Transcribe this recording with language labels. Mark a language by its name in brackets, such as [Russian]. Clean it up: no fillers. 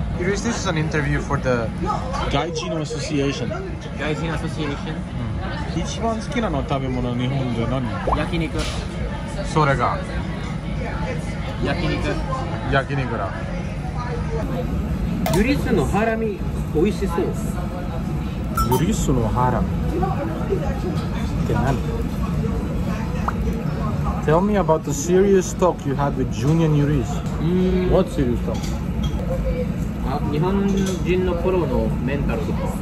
[English] Yuris, this is an interview for the Gaijin Association. Gaijin Association. [Japanese] 一番好きなの食べ物日本じゃ何？焼肉。それが。焼肉。焼肉だ。 Yuris のハラミ美味しそう。 Yuris のハラミって何？ [English] Tell me about the serious talk you had with Junior and Yuris. What serious talk? [Japanese] あ、日本人の頃のメンタルとか。